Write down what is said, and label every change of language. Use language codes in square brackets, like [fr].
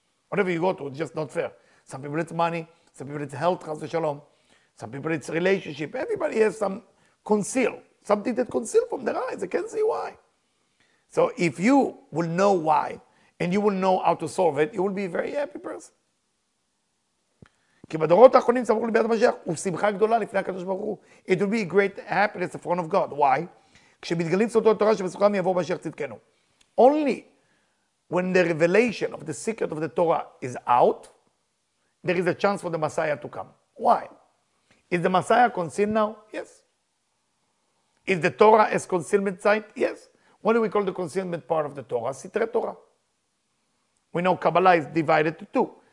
[en] Whatever you go through, it's just not fair. Some people it's money, some people it's health, chas v'shalom. Some people, it's relationship. Everybody has some conceal, something that conceal from their eyes. They can't see why. So if you will know why, and you will know how to solve it, you will be a very happy person. [he] כי בדורות האחרונים סמוך לביאת המשיח, ושמחה גדולה לפני הקדוש ברוך הוא. [en] It will be a great happiness in front of God. Why? [he] כשמתגלים סודות התורה שבסוכם יבוא משיח צדקנו. [en] Only when the revelation of the secret of the Torah is out, there is a chance for the Messiah to come. Why? Is the Messiah concealed now? Yes. Is the Torah as concealment site? Yes. What do we call the concealment part of the Torah? Sitre Torah. We know Kabbalah is divided to two.